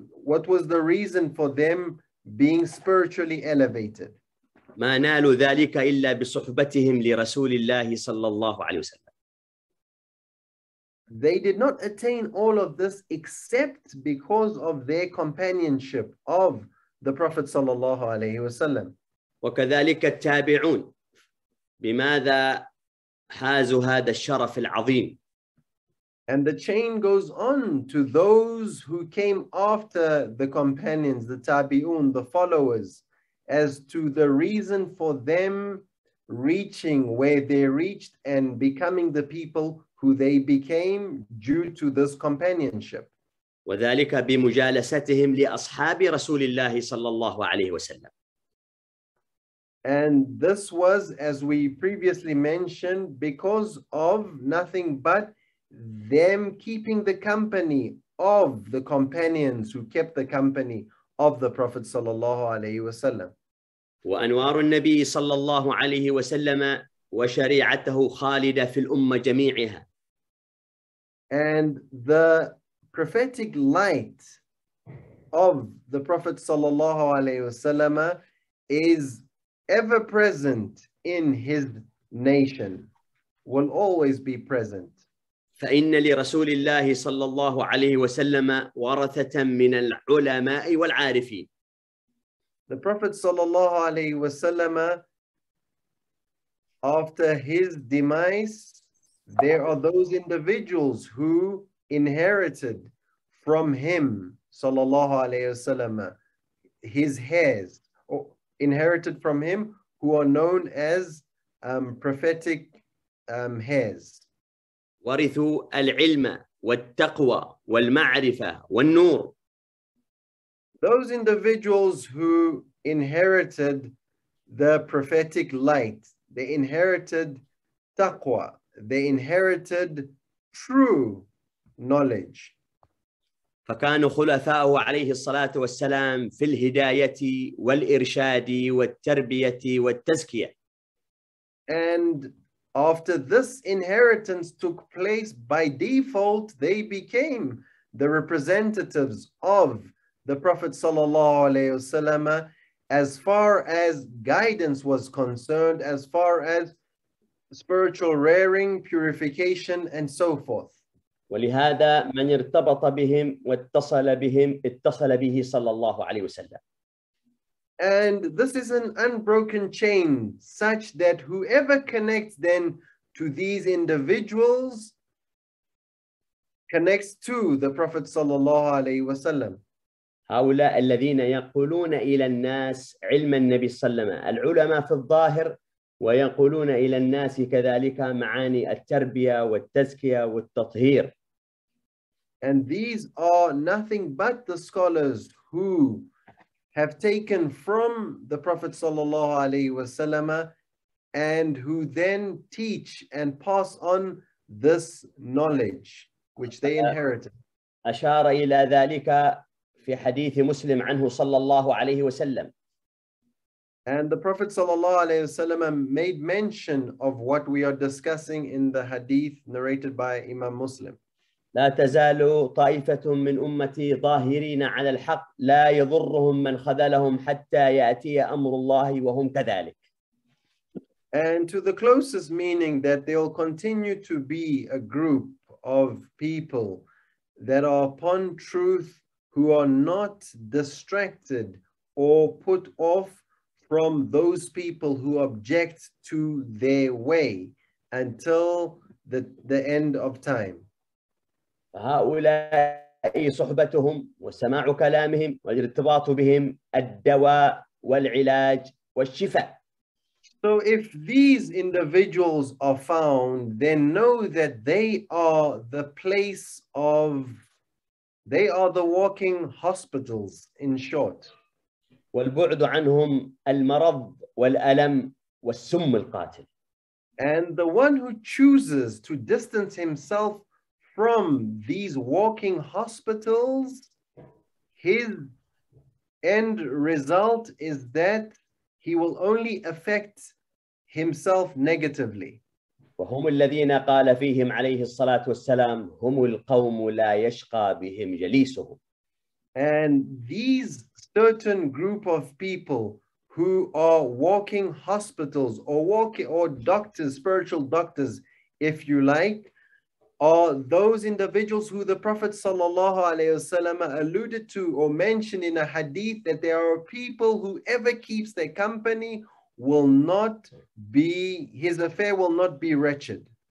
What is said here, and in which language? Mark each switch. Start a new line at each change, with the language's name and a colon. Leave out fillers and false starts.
English: What was the reason for them being spiritually elevated?
Arabic: ما نالوا ذلك إلا بصحبتهم لرسول الله صلى الله عليه وسلم.
English: They did not attain all of this except because of their companionship of the Prophet
Arabic: صلى الله عليه وسلم. وكذلك التابعون بماذا حازوا هذا الشرف العظيم.
English: And the chain goes on to those who came after the companions, the tabi'un, the followers, as to the reason for them reaching where they reached and becoming the people who they became due to this companionship.
Arabic: وذلك بمجالستهم لأصحاب رسول الله صلى الله عليه وسلم.
English: And this was, as we previously mentioned, because of nothing but them keeping the company of the companions who kept the company of the Prophet
Arabic: صلى الله عليه وسلم. وأنوار النبي صلى الله عليه وسلم وشريعته خالدة في الأمة جميعها.
English: And the prophetic light of the Prophet
Arabic: صلى الله عليه وسلم
English: is ever present in his nation, will always be present.
Arabic: فإن لرسول الله صلى الله عليه وسلم ورثة من العلماء والعارفين.
English: The Prophet
Arabic: صلى الله عليه وسلم,
English: after his demise, there are those individuals who inherited from him صلى الله عليه وسلم his heirs, or inherited from him, who are known as prophetic heirs.
Arabic: ورثوا العلم والتقوى والمعرفة والنور.
English: Those individuals who inherited the prophetic light, they inherited taqwa, they inherited true knowledge.
Arabic: فكانوا خلفاءه عليه الصلاة والسلام في الهداية والإرشاد والتربية والتزكية.
English: And after this inheritance took place, by default, they became the representatives of the Prophet
Arabic: sallallahu alayhi wasallam
English: as far as guidance was concerned, as far as spiritual rearing, purification, and so forth.
Arabic: ولهذا من ارتبط بهم واتصل بهم اتصل به صلى الله عليه وسلم.
English: And this is an unbroken chain, such that whoever connects then to these individuals connects to the Prophet
Arabic: sallallahu alaihi wasallam. هؤلاء الذين يقولون إلى الناس علم النبي صلى الله عليه وسلم العلماء في الظاهر ويقولون إلى الناس كذلك معاني التربية والتزكية والتطهير.
English: And these are nothing but the scholars who have taken from the Prophet
Arabic: sallallahu alaihi wasallam
English: and who then teach and pass on this knowledge which they inherited.
Arabic: أشار إلى ذلك في حديث مسلم عنه صلى الله عليه وسلم.
English: And the Prophet
Arabic: sallallahu alaihi wasallam
English: made mention of what we are discussing in the hadith narrated by Imam Muslim.
Arabic: لا تزال طائفة من أمتي ظاهرين على الحق لا يضرهم من خذلهم حتى يأتي أمر الله وهم كذلك.
English: And to the closest meaning that they will continue to be a group of people that are upon truth who are not distracted or put off from those people who object to their way until the end of time.
Arabic: هؤلاء صحبتهم وسماع كلامهم والارتباط بهم الدواء والعلاج والشفاء.
English: So if these individuals are found, then know that they are the place of, they are the walking hospitals, in short.
Arabic: والبعد عنهم المرض والألم والسم القاتل.
English: And the one who chooses to distance himself from these walking hospitals, his end result is that he will only affect himself negatively.
Arabic: وهم الذين قال فيهم عليه الصلاة والسلام هم القوم لا يشقى بهم جليسهم.
English: And these certain group of people who are walking hospitals or walking or doctors, spiritual doctors, if you like, are those individuals who the Prophet
Arabic: sallallahu alaihi wasallam
English: alluded to or mentioned in a hadith that there are people whoever keeps their company will not be, his affair will not be wretched.